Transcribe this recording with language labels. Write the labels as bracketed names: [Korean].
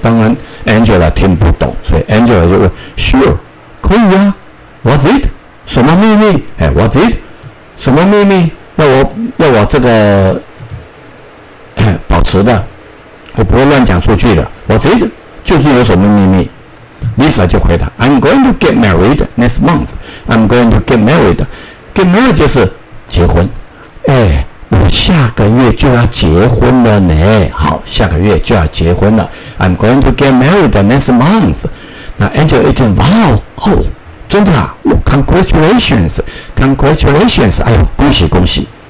[Chinese] 当然 Angela 听不懂，所以 Angela 就问 Sure， 可以啊。 [English] What's it？ [Chinese] 什么秘密？哎 ，What's it？ 什么秘密？要我这个保持的，我不会乱讲出去的。 [English] What's it？ [Chinese] 究竟有什么秘密？ [English] Lisa [Chinese] 就回答 [English] ：“I'm going to get married next month. I'm going to get married. Get married [Chinese] 就是结婚。哎，我下个月就要结婚了呢。好，下个月就要结婚了。 [English] I'm going to get married next month. [Chinese] 那 Angel 一听，哇哦，哦，真的啊 ！ [English] Congratulations, congratulations！ [Chinese] 哎呦，恭喜恭喜！